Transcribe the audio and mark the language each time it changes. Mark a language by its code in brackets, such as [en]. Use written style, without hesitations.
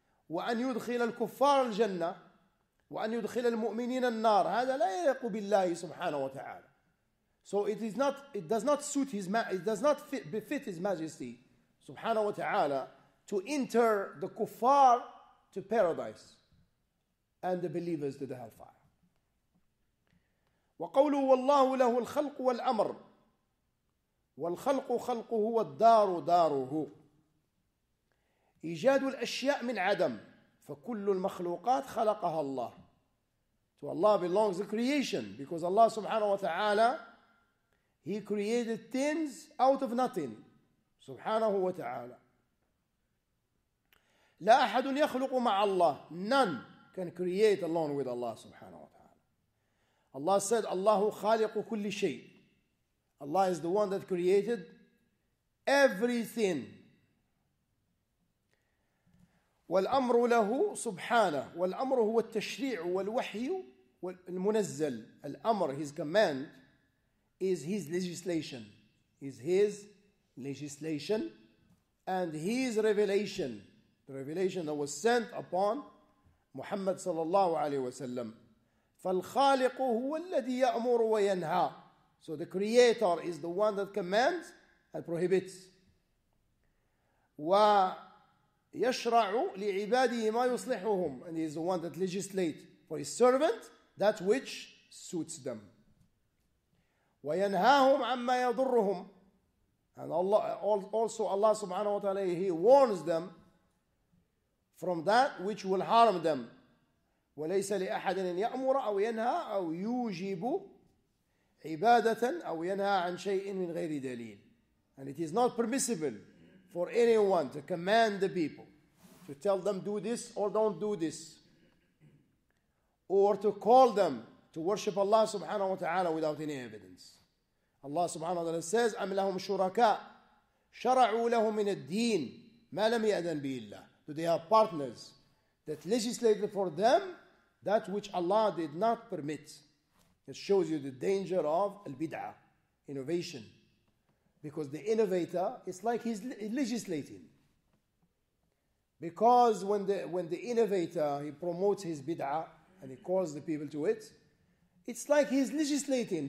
[ar] وأن يدخل الكفار الجنة وأن يدخل المؤمنين النار, هذا لا يليق بالله سبحانه وتعالى. [en] So it is not, it does not suit his, it does not fit, befit his majesty subhanahu wa ta'ala to enter the kuffar to paradise and the believers to the hellfire. [ar] وقوله والله له الخلق والأمر والخلق خلقه والدار داره. إيجاد الأشياء من عدم, فكل المخلوقات خلقها الله. [en] To Allah belongs the creation, because Allah subhanahu wa ta'ala, He created things out of nothing. Subhanahu wa ta'ala. [ar] لا أحد يخلق مع الله. [en] None can create alone with Allah subhanahu wa ta'ala. Allah said, Allah [ar] خالق كل شيء. [en] Allah is the one that created everything. [ar] والأمر له سبحانه. والأمر هو التشريع والوحي المنزل. [en] الأمر, His command, is His legislation. Is His legislation and His revelation. The revelation that was sent upon Muhammad صلى الله عليه وسلم. [ar] فالخالق هو الذي يأمر وينهى. [en] So the creator is the one that commands and prohibits. [ar] وَيَشْرَعُ لِعِبَادِهِ مَا يُصْلِحُهُمْ. [en] And he is the one that legislates for his servant that which suits them. [ar] وَيَنْهَاهُمْ عَمَّا يَضُرُّهُمْ. [en] And Allah, also Allah subhanahu wa ta'ala, He warns them from that which will harm them. [ar] وَلَيْسَ لِأَحَدٍ أَنْ يَأْمُرَ أَوْ يَنْهَى أَوْ يُوجِبُ عبادة أو ينهى عن شيء من غير دليل. [en] And it is not permissible for anyone to command the people to tell them do this or don't do this, or to call them to worship Allah subhanahu wa ta'ala without any evidence. Allah subhanahu wa ta'ala says, [ar] أم لهم شركاء شرعوا لهم من الدين ما لم يأذن به الله. [en] Do they have partners that legislated for them that which Allah did not permit? It shows you the danger of al-bid'ah, innovation. Because the innovator, it's like he's legislating. Because when the innovator, he promotes his bid'ah and he calls the people to it, it's like he's legislating.